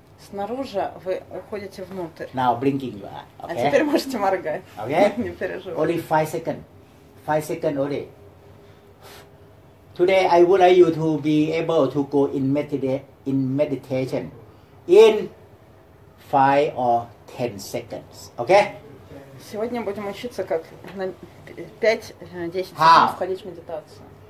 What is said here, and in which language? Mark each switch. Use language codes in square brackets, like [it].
[ru] Снаружи вы уходите внутрь. [en] Now blinking your eye. Okay? [ru] А теперь можете моргать. [en] Okay? [ru] Не переживайте. [en] Only 5 seconds. 5 seconds only. Today I would like you to be able to go in meditation in 5 or 10 seconds. Okay? [ru] Сегодня будем учиться, как на 5-10 секунд входить в медитацию.